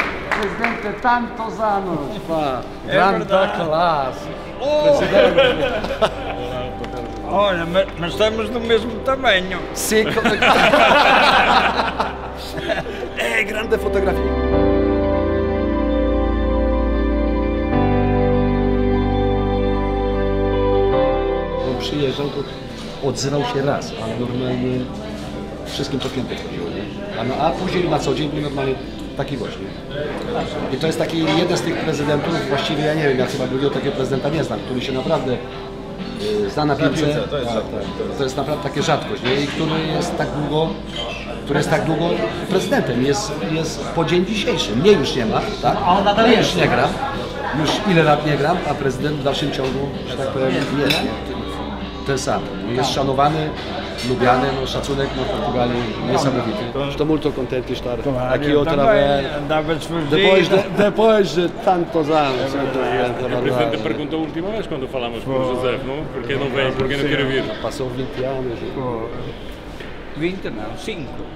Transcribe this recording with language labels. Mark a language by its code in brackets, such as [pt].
[pt] Prezydente, tanto zanoć. Pa. Granda klas. Olha, mas estamos do mesmo tamanho. Sim, como é que... É grande fotografia. [pl] On przyjeżdżał, to odzywał się raz, ale normalnie wszystkim to piętek chodziło, nie? A później na co dzień był normalnie taki właśnie. I to jest taki jeden z tych prezydentów, właściwie ja nie wiem, ja chyba drugiego takiego prezydenta nie znam, który się naprawdę zna na piłce. To jest naprawdę taka rzadkość, nie? I który jest tak długo, który jest tak długo prezydentem, jest po dzień dzisiejszy. Mnie już nie ma, tak? A on nadal już nie gra. Już ile lat nie gram, a prezydent w dalszym ciągu, że tak powiem, jest ten sam. Jest szanowany, lubiany, no szacunek na Portugalii niesamowity. [pt] Estou muito contente de estar aqui outra vez. Depois de tantos anos. O presidente perguntou a última vez quando falamos com o José, não? Porque não vem, porque não quer vir. Passou 20 anos. 20 não, 5.